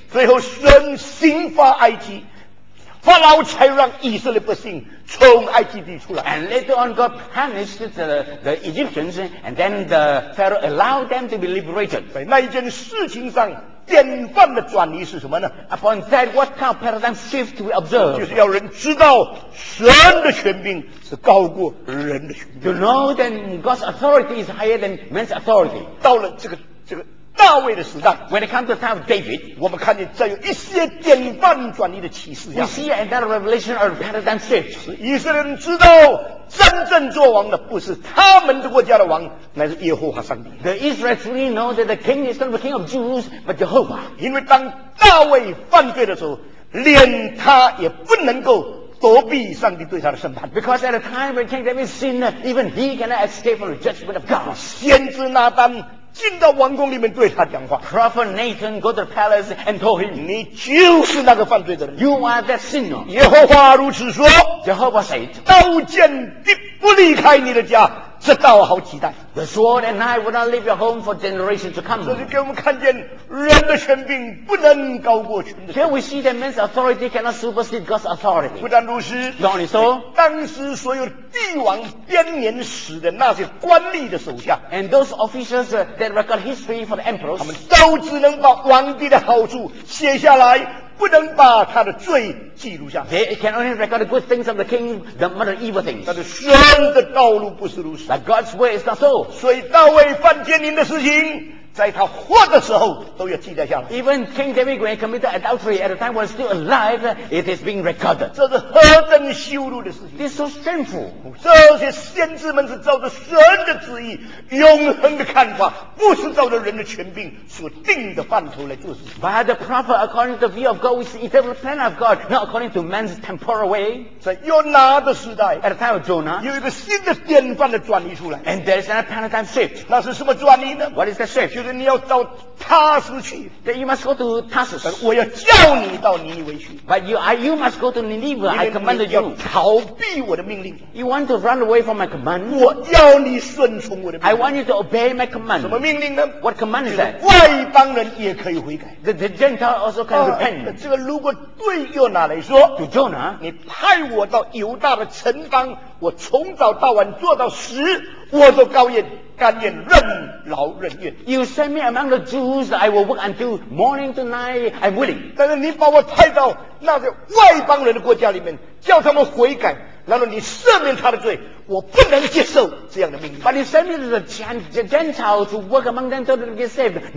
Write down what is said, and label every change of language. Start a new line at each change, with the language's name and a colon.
Chinese: 最后神刑罚埃及，法老才让以色列百姓从埃及地出来。
English: And later on, God punished the Egyptians, and then the Pharaoh allowed them to be liberated.
Chinese: 在那一件事情上，典范的转移是什么呢
English: ？Upon that, what kind of paradigm shift we observe?
Chinese: 就是要人知道神的权柄是高过人的权柄。
English: To know that God's authority is higher than man's authority.
Chinese: 到了这个大卫的时代
English: ，When it comes to the time of David,
Chinese: 我们看见这有一些典范转移的启示。
English: We see another revelation or paradigm shift.
Chinese: 以色列人知道真正做王的不是他们的国家的王，乃是耶和华上帝。
English: The Israelites really know that the king is not the king of Jews, but Jehovah.
Chinese: 因为当大卫犯罪的时候，连他也不能够躲避上帝对他的审判。
English: Because at the time when King David sinned, even he cannot escape from the judgment of God.
Chinese: 先知拿单进到王宫里面对他讲话。
English: Prophet Nathan go to the palace and told him,
Chinese: 你就是那个犯罪的人。
English: You are that sinner.
Chinese: 耶和华如此说。
English: Jehovah said,
Chinese: 刀剑不离开你的家，直到好几代。
English: The sword and knife will not leave your home for generations to come.
Chinese: 所以给我们看见人的权柄不能高过权的。
English: Here we see that man's authority cannot supersede God's authority.
Chinese: 不但如此
English: ，Not only so,
Chinese: 当时所有帝王编年史的那些官吏的手下
English: ，and those officials that record history for the emperors,
Chinese: 他们都只能把皇帝的好处写下来。不能把他的罪记录下。
English: They can only record the good things of the king, the not evil things.
Chinese: 但是神的道路不是如此。
English: But God's way is not so.
Chinese: 所以大卫犯奸淫的事情，在他活的时候都要记载下来。
English: Even King David when he committed adultery at the time when he was still alive, it is being recorded.
Chinese: 这是何等羞辱的事情。
English: This is so shameful.
Chinese: 这些先知们是照着神的旨意，永恒的看法，不是照着人的权柄所定的范畴来做事。
English: By the prophet according to the view of God, which is the eternal plan of God, not according to man's temporal way.
Chinese: 在约拿的时代
English: ，at the time of Jonah,
Chinese: 有一个新的典范的转移出来。
English: And there is another paradigm shift.
Chinese: 那是什么转移呢
English: ？What is the shift?
Chinese: 就是你要到他斯去
English: ，Then you must go to Tarsus。
Chinese: 我要叫你到尼尼微去
English: ，But you must go to Nineveh. I command you.
Chinese: 你要逃避我的命令。
English: You want to run away from my command.
Chinese: 我要你顺从我的命令。
English: I want you to obey my command.
Chinese: 什么命令呢
English: ？What command is that？
Chinese: 外邦人也可以悔改。
English: The Gentile also can repent.
Chinese: 这个如果对约拿来说
English: ，To Jonah，
Chinese: 你派我到犹大的城邦，我从早到晚做到十，我都高兴。甘愿任劳任怨。
English: You send me among the Jews, I will work until morning to night. I'm willing.
Chinese: 但是你把我派到那些外邦人的国家里面，叫他们悔改，然后你赦免他的罪，我不能接受这样的命令。
English: But you send me to the Gentiles to work among them till they get saved.